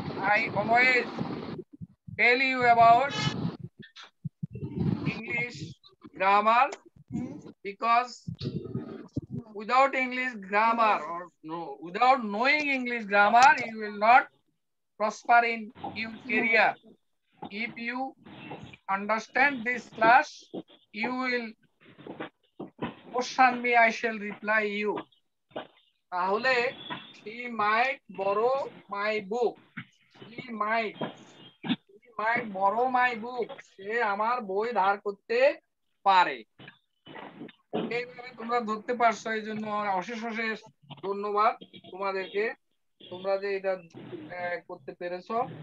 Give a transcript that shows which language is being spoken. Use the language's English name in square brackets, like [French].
[English] I always tell you about English grammar, because without English grammar or without knowing English grammar you will not prosper in your career. If you understand this class you will question me, I shall reply you. তাহলে he might borrow my book, he might borrow my book, [Bangla] সে আমার বই ধার করতে পারে। এইভাবে তোমরা ধরতে পারছো, এই জন্য অশেষ অশেষ ধন্যবাদ তোমাদেরকে, তোমরা যে এটা করতে পেরেছো।